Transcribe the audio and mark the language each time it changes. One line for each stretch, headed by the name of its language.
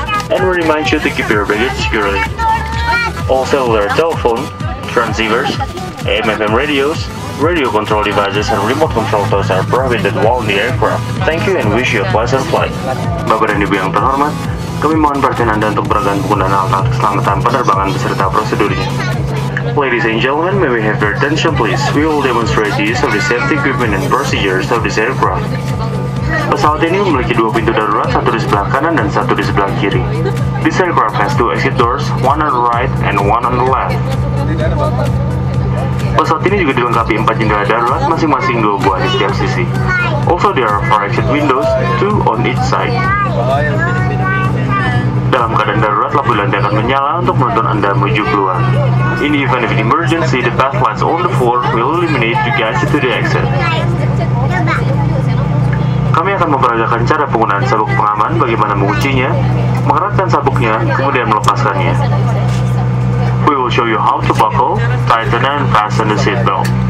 English: And we remind you to keep your baggage securely. All cellular telephone, transceivers, AM/FM radios, radio control devices and remote control doors are prohibited while in the aircraft. Thank you and wish you a pleasant flight.
Indonesian: Bapak dan Ibu yang terhormat, kami mohon perhatian Anda untuk beragam penggunaan alat keselamatan penerbangan beserta prosedurnya.
English: Ladies and gentlemen, may we have your attention please? We will demonstrate the use of the safety equipment and procedures of this aircraft.
Indonesian: Pesawat ini memiliki dua pintu darurat, satu di sebelah kanan dan satu di sebelah kiri.
English: This aircraft has two exit doors, one on the right and one on the left.
Indonesian: Pesawat ini juga dilengkapi 4 jendela darurat, masing-masing 2 buah di setiap sisi.
English: Also, there are 4 exit windows, 2 on each side.
Indonesian: Dalam keadaan darurat, lampu landing akan menyala untuk menuntun Anda menuju keluar.
English: In the event of an emergency, the path lights on the floor will illuminate to guide you to the exit.
Indonesian: Kami akan memperagakan cara penggunaan sabuk pengaman, bagaimana menguncinya, mengeratkan sabuknya, kemudian melepaskannya.
English: We will show you how to buckle, tighten, and fasten the seatbelt.